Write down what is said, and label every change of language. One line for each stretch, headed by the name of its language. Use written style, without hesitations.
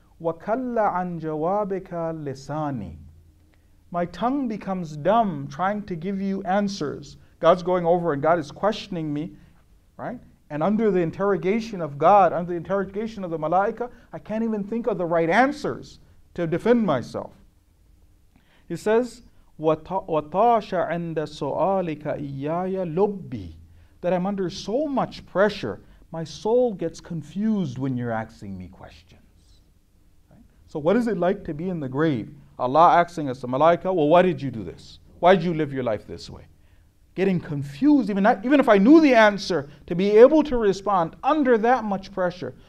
Arabic: وَكَلَّ عَنْ جَوَابِكَ لِسَانِي.
English: My tongue becomes dumb trying to give you answers. God's going over and God is questioning me, right? And under the interrogation of God, under the interrogation of the malaika, I can't even think of the right answers to defend myself. He says,
Arabic: وَطَاشَ عَنْدَ سُؤَالِكَ إِيَّايَ لُبِّي.
English: That I'm under so much pressure, my soul gets confused when you're asking me questions. Right? So what is it like to be in the grave? Allah asking us, the malaika, well, why did you do this? Why did you live your life this way? getting confused, even if I knew the answer, to be able to respond under that much pressure.